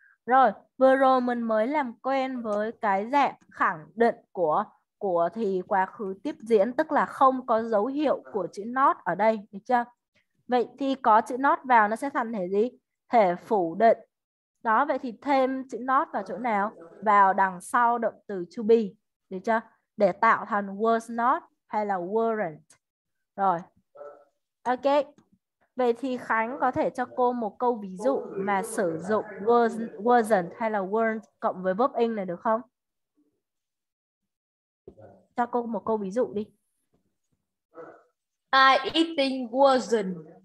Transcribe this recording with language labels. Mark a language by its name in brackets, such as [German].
[Vietnamese] Rồi, vừa rồi mình mới làm quen với cái dạng khẳng định của thì quá khứ tiếp diễn, tức là không có dấu hiệu của chữ not ở đây, được chưa? Vậy thì có chữ not vào nó sẽ thành thể gì? Thể phủ định. Đó, vậy thì thêm chữ not vào chỗ nào? Vào đằng sau động từ to be, được chưa? Để tạo thành was not hay là weren't. Rồi, ok. Vậy thì Khánh có thể cho cô một câu ví dụ mà sử dụng wasn't hay là weren't cộng với verb in này được không? Cho cô một câu ví dụ đi. [English] I eating wasn't.